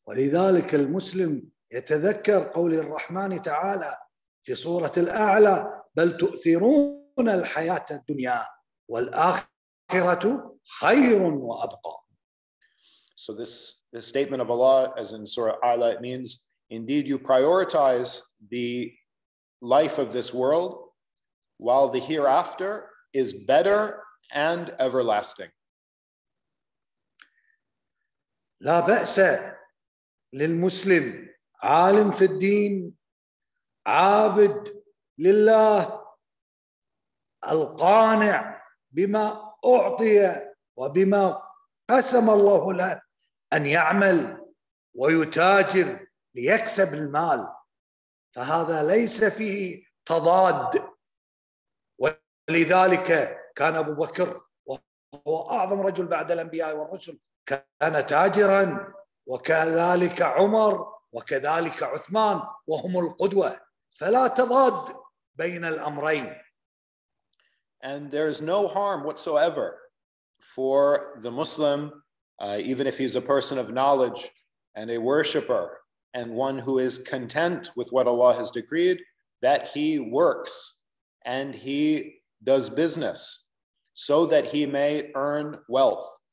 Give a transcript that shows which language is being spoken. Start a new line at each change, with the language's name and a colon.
Arabic: ولذلك المسلم يتذكر قول الرحمن تعالى في سورة الأعلى بل تؤثرون الحياة الدنيا والآخرة خير وأبقى.
English: So this statement of Allah, as in Surah Al-A'la, it means, indeed you prioritize the life of this world, while the hereafter is better and everlasting.
Arabic: لا بأس للمسلم عالم في الدين عابد لله القانع بما أعطي وبما قسم الله له أن يعمل ويتاجر ليكسب المال فهذا ليس فيه تضاد ولذلك كان أبو بكر هو أعظم رجل بعد الأنبياء والرسل، كان تاجرا، وكذلك عمر، وكذلك عثمان، وهم القدوة، فلا تضاد بين الأمرين.
English: And there is no harm whatsoever for the Muslim, even if he's a person of knowledge and a worshiper and one who is content with what Allah has decreed, that he works and he does business so that he may earn wealth.